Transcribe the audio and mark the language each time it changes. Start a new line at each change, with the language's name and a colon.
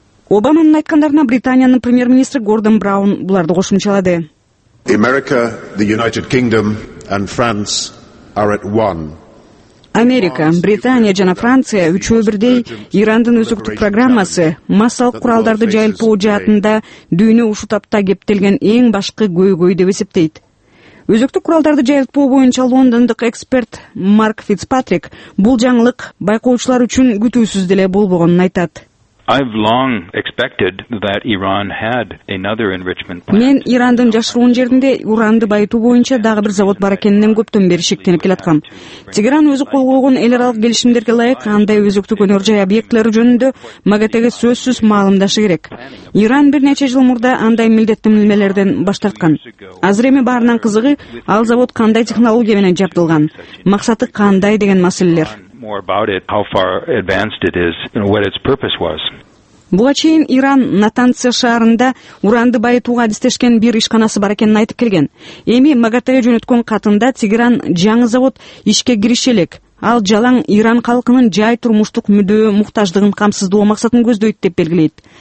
Kyrgyz: Обаманын айткандарына Британиянын премьер-министри Гордон Браун буларды кошумчалады.
English: America, the United Kingdom and France are at one.
Kyrgyz: Америка, Британия жана Франция үчөө бирдей Ирандын өзүктүк программасы массалык куралдарды жайылтуу жаатында дүйнө ушу тапта кептелген эң башкы көйгөй деп эсептейт. Өзүктүк куралдарды жайылтуу боюнча лондондук эксперт Марк Фицпатрик бул жаңылык байкоочулар үчүн күтүүсүз деле болбогонун айтат.
English: I've long expected that Iran had another enrichment plant.
Kyrgyz: Мен Ирандын жашыруун жеринде уранды байытуу боюнча дагы бир завод бар экенинен көптөн бери шектенип келаткам. Тегеран өзү кол койгон эл аралык келишимдерге ылайык андай өзүктүк өнөр жай объектлери жөнүндө МАГАТЭге сөзсүз маалымдашы керек. Иран бир нече жыл мурда андай милдеттенмелерден баш тарткан. Азыр эми баарынан кызыгы ал завод кандай технология менен жабдылган, максаты кандай деген маселелер.
English: More about it, how far advanced it is, and what its purpose was.
Kyrgyz: Буга чейин Иран Натанс шаарында уранды байытууга адистешкен бир ишканасы бар экенин айтып келген. Эми МАГАТЭге жөнөткөн катында Тегеран жаңы завод ишке кириши элек. Ал жалаң Иран халкынын жай турмуштук мүдөө муктаждыгын камсыздоо максатын көздөйт деп белгилейт.